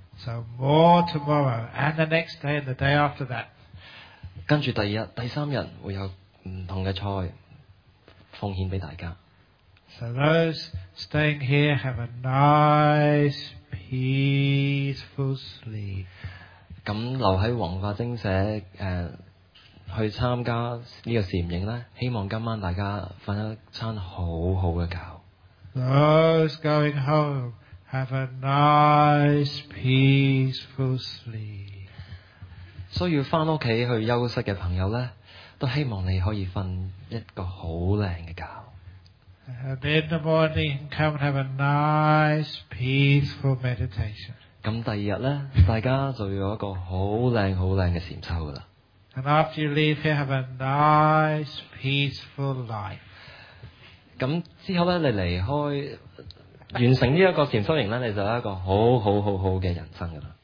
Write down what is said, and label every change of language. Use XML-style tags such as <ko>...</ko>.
<en>So more tomorrow and the next day and the day after that.</en> <yue>跟住第二日、第三日會有唔同嘅菜，奉獻俾大家。</yue> <en>So those staying here have a nice, peaceful sleep.</en> <yue>咁留喺宏化精舍去參加呢個禪影咧，希望今晚大家瞓一餐好好嘅覺。</yue> <en>Those going home have a nice, peaceful sleep.</en> <yue>需要翻屋企去休息嘅朋友咧，都希望你可以瞓一個好靚嘅覺。</yue> <en>And in the morning, come and have a nice, peaceful meditation.</en> <yue>咁第二日咧，大家就要有一个好靓好靓嘅禅修噶啦。</yue> <en>And after you leave here, have a nice, peaceful life.</en> <yue>咁之后咧，你离开完成呢一个禅修营咧，你就有一个好好好好嘅人生噶啦。</yue>